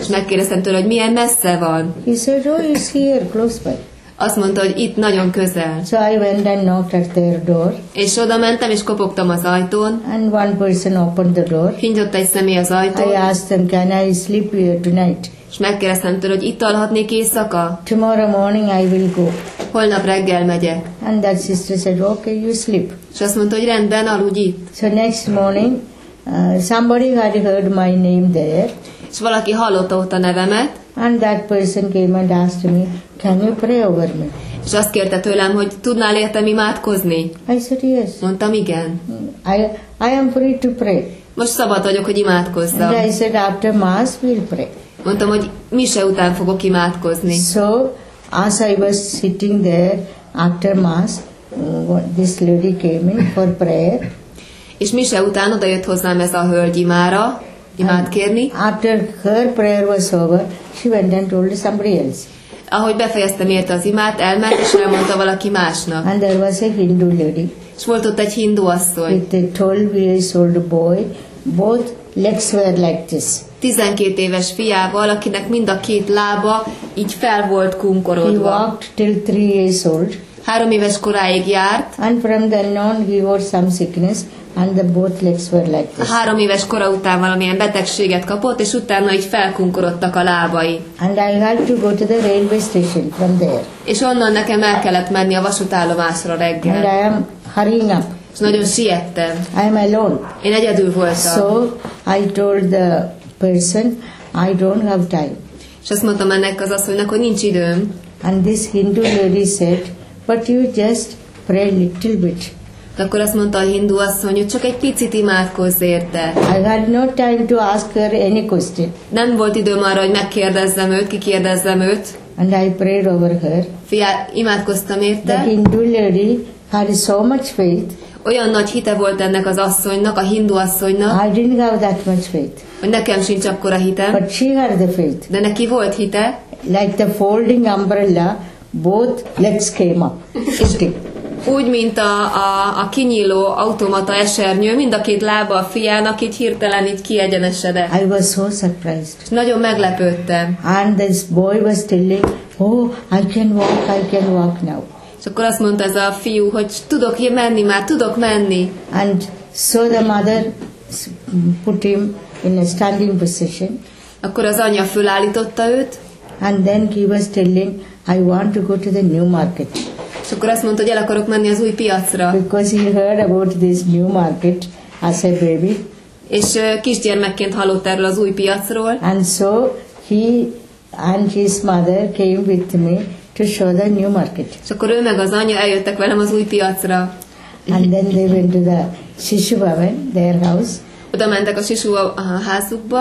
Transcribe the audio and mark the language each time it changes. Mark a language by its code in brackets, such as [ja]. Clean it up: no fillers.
[hu] És megkérdeztem tőle, hogy milyen messze van. [en] He said, oh, it's here, close by. [hu] Azt mondta, hogy itt nagyon közel. [en] So I went and knocked at their door. [hu] És oda mentem, és kopogtam az ajtón. [en] And one person opened the door. [hu] Kinyitott egy személy az ajtón. [en] I asked them, can I sleep here tonight? [hu] És megkérdeztem tőle, hogy itt alhatnék éjszaka? [en] Tomorrow morning I will go. [hu] Holnap reggel megyek. [en] And that sister said, okay, you sleep. [hu] És azt mondta, hogy rendben, aludj itt. [en] So next morning, somebody had heard my name there. [hu] És valaki hallotta ott a nevemet. [en] And that person came and asked me, can you pray over me? [hu] És azt kérte tőlem, hogy tudnál értem imádkozni? [en] I said, yes. [hu] Mondtam, igen. [en] I am free to pray. [hu] Most szabad vagyok, hogy imádkozzam. [en] And I said, after mass, we'll pray. [hu] Mondtam, hogy mise után fogok imádkozni. [en] So, as I was sitting there after mass, this lady came in for prayer. [hu] És mise után odajött hozzám ez a hölgy imára, imád kérni. [en] After her prayer was over, she went and told somebody else. [hu] Ahogy befejeztem érte az imát, elment, és elmondta valaki másnak. [en] And there was a Hindu lady. [hu] És volt ott egy hindu asszony. [en] With a 12 years old boy, both legs were like this. [hu] 12 éves fiával, akinek mind a két lába így fel volt kunkorodva. [en] He walked till 3 years old. [hu] 3 éves koráig járt. [en] And from then on he had some sickness and the both legs were like this. [hu] 3 éves kora után valamilyen betegséget kapott, és utána így felkunkorodtak a lábai. [en] And I had to go to the railway station from there. [hu] És onnan nekem el kellett menni a vasútállomásra reggel. [en] And I am hurrying up. [hu] És nagyon siettem. [en] I am alone. [hu] Én egyedül voltam. [en] So I told the person, I don't have time. [hu] És azt mondtam ennek az asszonynak, hogy nincs időm. [en] And this Hindu lady said, but you just pray a little bit. [hu] De akkor azt mondta a hindu asszony, hogy csak egy picit imádkozz érte. [en] I had no time to ask her any question. [hu] Nem volt időm arra, hogy megkérdezzem őt, kikérdezzem őt. [en] And I prayed over her. [hu] Imádkoztam érte. [en] The Hindu lady had so much faith. [hu] Olyan nagy hite volt ennek az asszonynak, a hindu asszonynak. [en] I didn't have that much faith. [hu] Hogy nekem sincs akkora hitem. [en] But she had the faith. [hu] De neki volt hite. [en] Like the folding umbrella, both legs came up. [hu] Úgy, mint a kinyíló automata esernyő, mind a két lába a fiának így hirtelen így kiegyenesedett. [en] I was so surprised. [hu] És nagyon meglepődtem. [en] And this boy was telling, oh, I can walk now. [hu] És akkor azt mondta ez a fiú, hogy tudok én menni már, tudok menni. [en] And so the mother put him in a standing position. [hu] Akkor az anya fölállította őt. [en] And then he was telling, I want to go to the new market. [hu] És akkor azt mondta, hogy el akarok menni az új piacra. [en] Because he heard about this new market as a baby. [hu] És kisgyermekként hallott erről az új piacról. [en] And so he and his mother came with me to show the new market. [hu] És akkor ő meg az anya eljöttek velem az új piacra. [en] And then they went to the Shishu Bhavan, their house. [hu] Oda mentek a Shishu házukba.